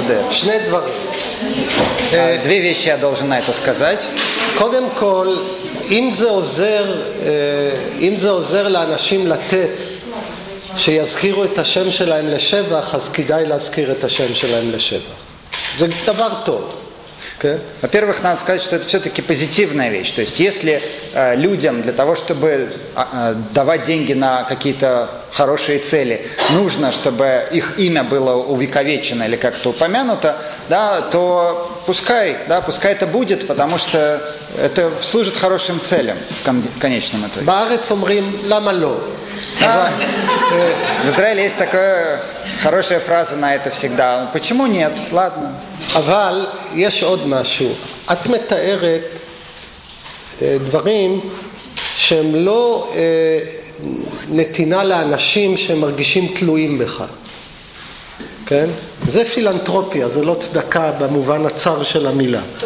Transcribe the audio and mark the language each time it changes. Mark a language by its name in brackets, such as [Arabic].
[Hebrew] שני דברים. [Russian] Две вещи я должен на это сказать. [Hebrew] קודם כל, אם זה עוזר, אם זה עוזר לאנשים לתת, שיזכירו את השם שלהם לשבח, אז כדאי להזכיר את השם שלהם לשבח. זה דבר טוב. [Russian] Во-первых, надо сказать, что это все-таки позитивная вещь. То есть если людям для того, чтобы давать деньги на какие-то хорошие цели, нужно, чтобы их имя было увековечено или как-то упомянуто, да, то пускай, да, пускай это будет, потому что это служит хорошим целям в конечном итоге. [Hebrew] Барец умрим ламало. [Russian] В Израиле есть такая хорошая фраза на это всегда. Почему нет? Ладно. [Hebrew] אבל יש עוד משהו. את מתארת דברים שהם לא נתינה לאנשים שמרגישים תלויים בך. כן? זה פילנטרופיה, זה לא צדקה במובן הצר של המילה.